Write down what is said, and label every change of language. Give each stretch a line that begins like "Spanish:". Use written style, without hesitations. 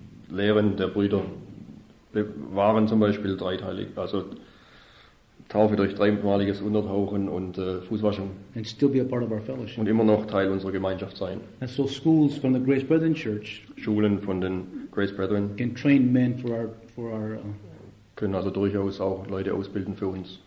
German: Lehren der Brüder waren zum Beispiel dreiteilig, also Taufe durch dreimaliges Untertauchen und Fußwaschung.
English: And still be a part of our fellowship.
German: Und immer noch Teil unserer Gemeinschaft sein.
English: And so schools from the Grace Brethren Church.
German: Schulen von den Grace Brethren.
English: Can train men for our.
German: Können also durchaus auch Leute ausbilden für uns.